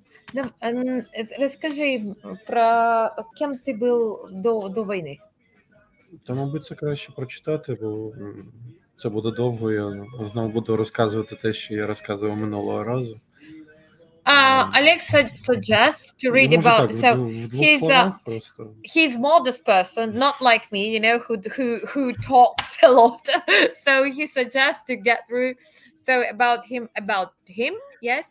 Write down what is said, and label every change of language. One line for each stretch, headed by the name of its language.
Russian: Расскажи, про кем ты был
Ukrainian: до війни. Та, мабуть, це краще прочитати, бо це буде довго. Я знову буду розказувати те, що я розказував минулого разу.
English: Олег suggests to read about так, so he's modest person, not like me, you know, who talks a lot. So he suggests to get through so about him, yes.